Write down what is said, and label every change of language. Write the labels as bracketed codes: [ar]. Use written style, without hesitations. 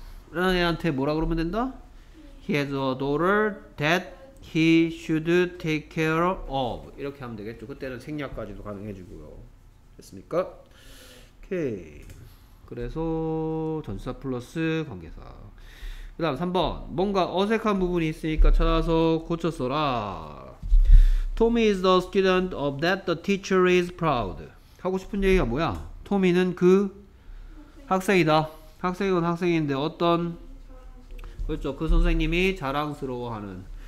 [ko] 라는 애한테 뭐라 그러면 된다? [en] He has a daughter that he should take care of. [ko] 이렇게 하면 되겠죠. 그때는 생략까지도 가능해지고요. 됐습니까? 오케이. 그래서 전사 플러스 관계사. 그 다음 3번. 뭔가 어색한 부분이 있으니까 찾아서 고쳤어라. [en] Tommy is the student of that the teacher is proud. [ko] 하고 싶은 얘기가 뭐야? Tommy는 그 학생이다. 학생은 학생인데 어떤, 그렇죠, 그 선생님이 자랑스러워하는.